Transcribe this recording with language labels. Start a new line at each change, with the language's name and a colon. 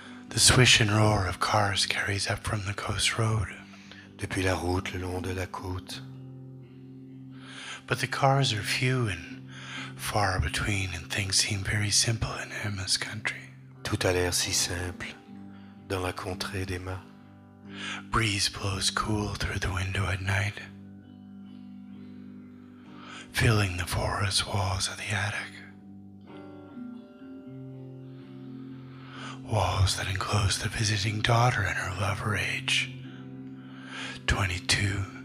English: The swish and roar of cars carries up from the coast road,
French: depuis la route le long de la côte.
English: But the cars are few and far between, and things seem very simple in Emma's country.
French: Tout a l'air si simple dans la contrée d'Emma.
English: Breeze blows cool through the window at night, filling the forest walls of the attic. Walls that enclose the visiting daughter and her lover, age 22.